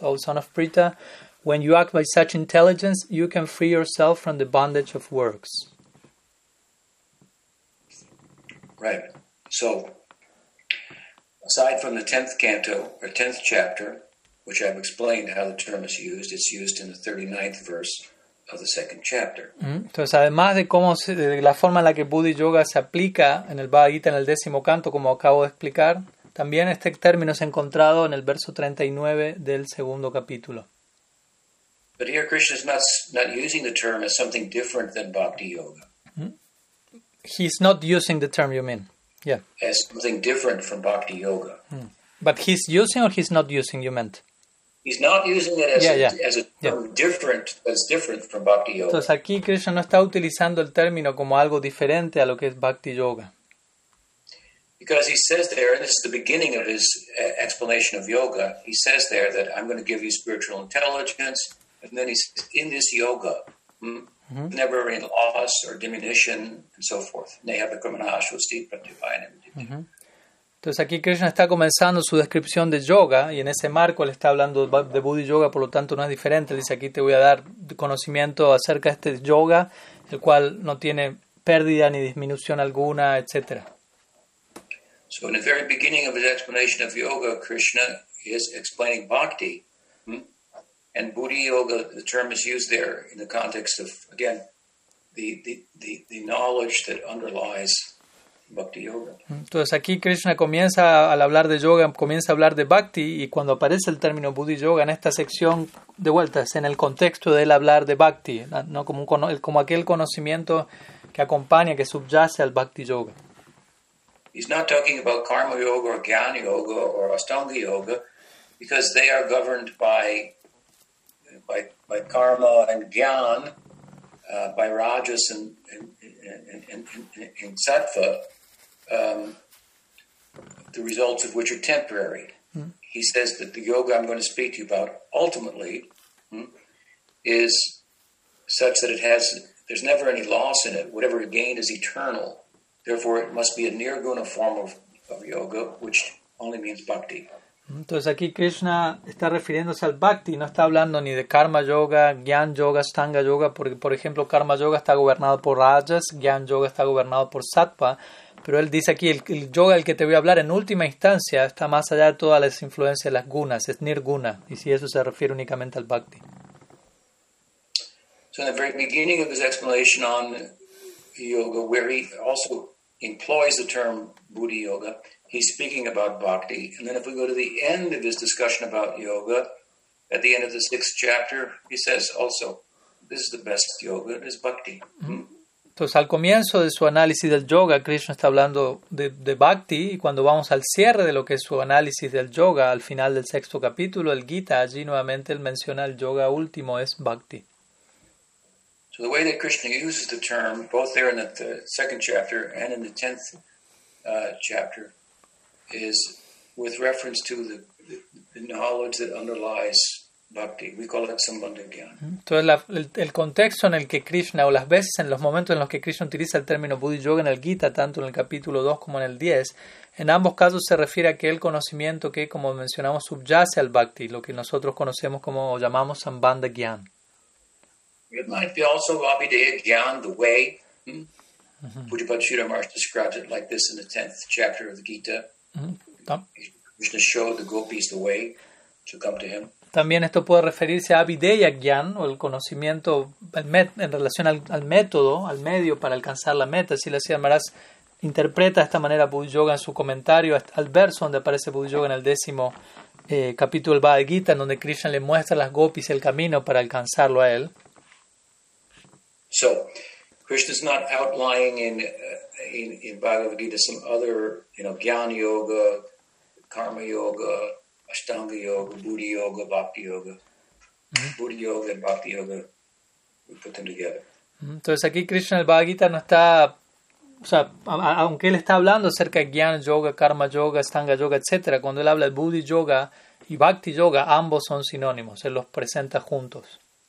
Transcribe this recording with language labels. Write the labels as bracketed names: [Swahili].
[English] O son of Prita, when you act by such intelligence, you can free yourself from the bondage of works." Right. So, aside from the 10th canto, or 10th chapter, which I've explained how the term is used, it's used in the 39th verse. Of the second chapter. [Spanish] Entonces, además de cómo de la forma en la que Bodhi Yoga se aplica en el Bhagavad Gita en el décimo canto, como acabo de explicar, también este término es encontrado en el verso 39 del segundo capítulo. [English] But here Krishna is not using the term as something different than Bhakti Yoga. He's not using the term, you mean? Yeah. As something different from Bhakti Yoga. But he's using or he's not using, you meant? He's not using it as different, as different from Bhakti Yoga. [Spanish] Entonces aquí Krishna no está utilizando el término como algo diferente a lo que es Bhakti Yoga. [English] Because he says there, and this is the beginning of his explanation of yoga, he says there that I'm going to give you spiritual intelligence, and then he says, in this yoga, never in loss or diminution, and so forth. [Spanish] Entonces aquí Krishna está comenzando su descripción de yoga y en ese marco él está hablando de Bodhi Yoga, por lo tanto no es diferente. Él dice, aquí te voy a dar conocimiento acerca de este yoga, el cual no tiene pérdida ni disminución alguna, etc. [English] So in the very beginning of his explanation of yoga, Krishna is explaining bhakti. And Bodhi Yoga, the term is used there in the context of, again, the knowledge that underlies Bhakti Yoga. [Spanish] Entonces aquí Krishna comienza al hablar de yoga, comienza a hablar de bhakti, y cuando aparece el término Bodhi Yoga en esta sección, de vuelta, es en el contexto de él hablar de bhakti, no como, como aquel conocimiento que acompaña, que subyace al Bhakti Yoga. [English] He's not talking about Karma Yoga or Gyan Yoga or Astanga Yoga, because they are governed by karma and gyan, by rajas and sattva, the results of which are temporary. He says that the yoga I'm going to speak to you about ultimately is such that there's never any loss in it. Whatever it gained is eternal. Therefore, it must be a nirguna form of yoga, which only means bhakti. [Spanish] Entonces aquí Krishna está refiriéndose al bhakti, no está hablando ni de karma yoga, gyan yoga, stanga yoga, porque por ejemplo karma yoga está gobernado por rajas, gyan yoga está gobernado por sattva, Pero él dice aquí, el yoga del que te voy a hablar en última instancia está más allá de todas las influencias de las gunas, es nirguna, y si eso se refiere únicamente al bhakti. [English] So in the very beginning of his explanation on yoga, where he also employs the term buddhi yoga, he's speaking about bhakti. And then if we go to the end of his discussion about yoga, at the end of the sixth chapter, he says also, this is the best yoga, it is bhakti. [Spanish] Entonces, al comienzo de su análisis del yoga, Krishna está hablando de bhakti, y cuando vamos al cierre de lo que es su análisis del yoga, al final del sexto capítulo, el Gita, allí nuevamente él menciona el yoga último, es bhakti. [English] So the way that Krishna uses the term, both there in the second chapter and in the tenth chapter, is with reference to the knowledge that underlies bhakti. We call it sambandha gyan. [Spanish] Entonces, el contexto en el que Krishna, o las veces en los momentos en los que Krishna utiliza el término buddhi yoga en el Gita, tanto en el capítulo 2 como en el 10, en ambos casos se refiere a aquel conocimiento que, como mencionamos, subyace al bhakti, lo que nosotros conocemos como o llamamos sambandha gyan. [English] It might be also Abhideya Gyan, the way. Pujapati Sridharmash describes it like this in the 10th chapter of the Gita. Krishna showed the gopis the way to come to him. [Spanish] También esto puede referirse a Abhideya Gyan, o el conocimiento en relación al método, al medio para alcanzar la meta. Así la Sridharmash interpreta de esta manera Buddha Yoga en su comentario al verso donde aparece Buddha Yoga en el décimo capítulo del Bhagavad Gita, en donde Krishna le muestra a las gopis el camino para alcanzarlo a él. [English] So, Krishna's not outlining in Bhagavad Gita some other, you know, Gyan Yoga, Karma Yoga, Ashtanga Yoga, Buddhi Yoga, Bhakti Yoga. Buddhi Yoga and Bhakti Yoga, we put them together. [Spanish] Entonces aquí Krishna el Bhagavad Gita no está, o sea, aunque él está hablando acerca de Gyan Yoga, Karma Yoga, Ashtanga Yoga, etc., cuando él habla de Buddhi Yoga y Bhakti Yoga, ambos son sinónimos, él los presenta juntos.